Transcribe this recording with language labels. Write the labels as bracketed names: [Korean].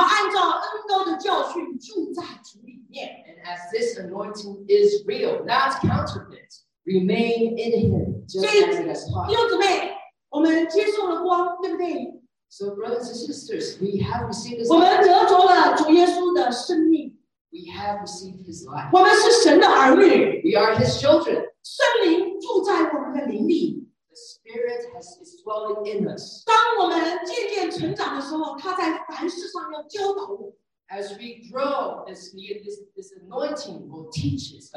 [Chinese] 这个恩膏是真的，不是假的。你们要按照恩膏的教训住在主里面。 [English] And as this anointing is real, not counterfeit, remain in him just as it has taught. [Chinese] 弟兄姊妹，我们接受了光，对不对？ [English] So brothers and sisters, we have received this. [Chinese] 我们得着了主耶稣的生命。 [English] We have received his life. [Chinese] 我们是神的儿女。 [English] We are his children. [Chinese] 圣灵住在我们的灵里。 [English] The spirit is dwelling in us. [Chinese] 当我们渐渐成长的时候, 祂在凡事上要教导我。 [English] As we grow, this anointing will teach us.